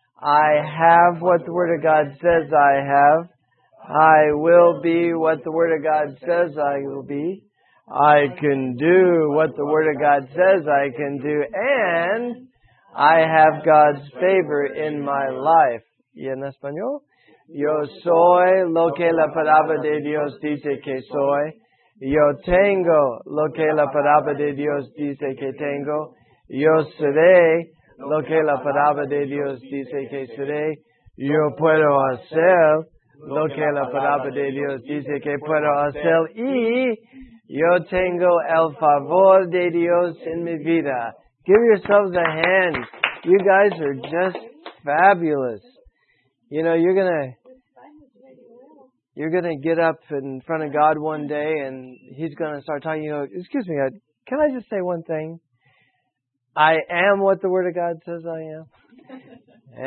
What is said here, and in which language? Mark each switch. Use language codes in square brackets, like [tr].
[en] I have what the Word of God says I have. I will be what the Word of God says I will be. I can do what the Word of God says I can do. And I have God's favor in my life. [es] ¿Y en español? Yo soy lo que la palabra de Dios dice que soy. Yo tengo lo que la palabra de Dios dice que tengo. Yo seré lo que la palabra de Dios dice que seré. Yo puedo hacer lo que la palabra de Dios dice que puedo hacer. Y yo tengo el favor de Dios en mi vida. [en] Give yourselves a hand. You guys are just fabulous. You know, you're gonna get up in front of God one day and He's gonna start talking to you. Excuse me, can I just say one thing? I am what the Word of God says I am.